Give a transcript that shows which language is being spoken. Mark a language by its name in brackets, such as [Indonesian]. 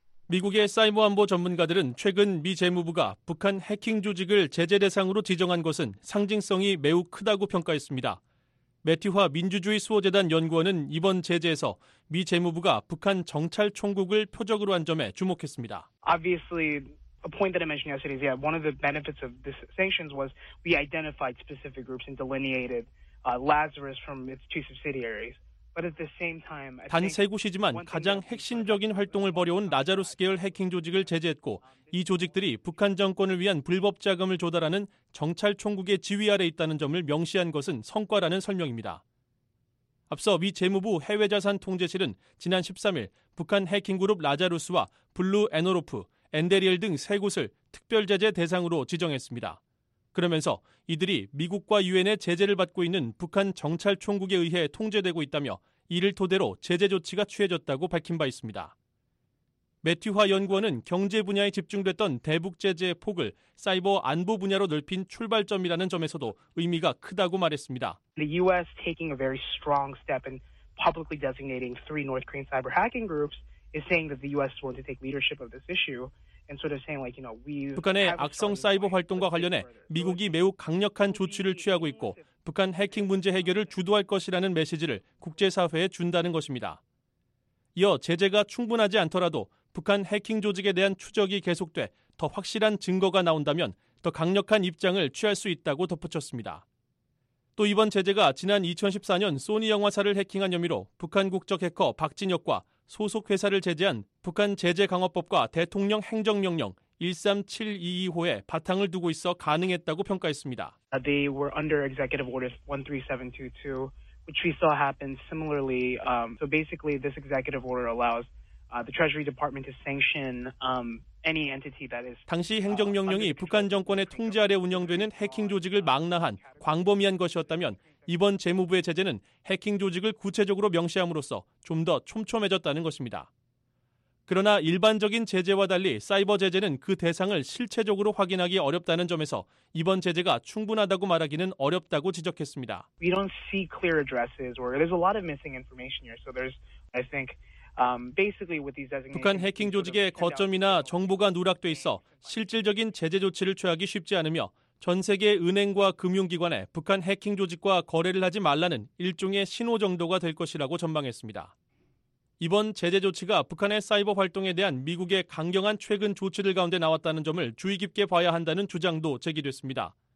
[Korean] 미국의 사이버 안보 전문가들은 최근 미 재무부가 북한 해킹 조직을 제재 대상으로 지정한 것은 상징성이 매우 크다고 평가했습니다. 매티화 민주주의 수호재단 연구원은 이번 제재에서 미 재무부가 북한 정찰총국을 표적으로 한 점에 주목했습니다. [English] Obviously, a point that I mentioned yesterday is one of the benefits of the sanctions was we identified specific groups and delineated Lazarus from its two subsidiaries. But at the same time, [Korean] 단 세 곳이지만 가장 핵심적인 활동을 벌여온 라자루스 계열 해킹 조직을 제재했고 이 조직들이 북한 정권을 위한 불법 자금을 조달하는 정찰총국의 지휘 아래 있다는 점을 명시한 것은 성과라는 설명입니다. 앞서 미 재무부 해외자산통제실은 지난 13일 북한 해킹 그룹 라자루스와 블루 애너로프, 엔데리엘 등 세 곳을 특별 제재 대상으로 지정했습니다. 그러면서 이들이 미국과 유엔의 제재를 받고 있는 북한 정찰총국에 의해 통제되고 있다며 이를 토대로 제재 조치가 취해졌다고 밝힌 바 있습니다. 매튜화 연구원은 경제 분야에 집중됐던 대북 제재의 폭을 사이버 안보 분야로 넓힌 출발점이라는 점에서도 의미가 크다고 말했습니다. [English] The US taking a very strong step in publicly designating three North Korean cyber hacking groups is saying that the US wants to take leadership of this issue. [Korean] 북한의 악성 사이버 활동과 관련해 미국이 매우 강력한 조치를 취하고 있고 북한 해킹 문제 해결을 주도할 것이라는 메시지를 국제사회에 준다는 것입니다. 이어 제재가 충분하지 않더라도 북한 해킹 조직에 대한 추적이 계속돼 더 확실한 증거가 나온다면 더 강력한 입장을 취할 수 있다고 덧붙였습니다. 또 이번 제재가 지난 2014년 소니 영화사를 해킹한 혐의로 북한 국적 해커 박진혁과 소속 회사를 제재한 북한 제재 강화법과 대통령 행정명령 13722호에 바탕을 두고 있어 가능했다고 평가했습니다. [English] They were under executive order 13722, which we saw happen similarly. So basically, this executive order allows the Treasury Department to sanction any entity that is. [Korean] 당시 행정명령이 북한 정권의 통제 아래 운영되는 해킹 조직을 망라한 광범위한 것이었다면. 이번 재무부의 제재는 해킹 조직을 구체적으로 명시함으로써 좀 더 촘촘해졌다는 것입니다. 그러나 일반적인 제재와 달리 사이버 제재는 그 대상을 실체적으로 확인하기 어렵다는 점에서 이번 제재가 충분하다고 말하기는 어렵다고 지적했습니다. [English] We don't see clear addresses or there's a lot of missing information here. So there's, I think, basically with these designations. [Korean] 북한 해킹 조직의 거점이나 정보가 누락돼 있어 실질적인 제재 조치를 취하기 쉽지 않으며 전 세계 은행과 금융기관에 북한 해킹 조직과 거래를 하지 말라는 일종의 신호 정도가 될 것이라고 전망했습니다. 이번 제재 조치가 북한의 사이버 활동에 대한 미국의 강경한 최근 조치들 가운데 나왔다는 점을 주의 깊게 봐야 한다는 주장도 제기됐습니다.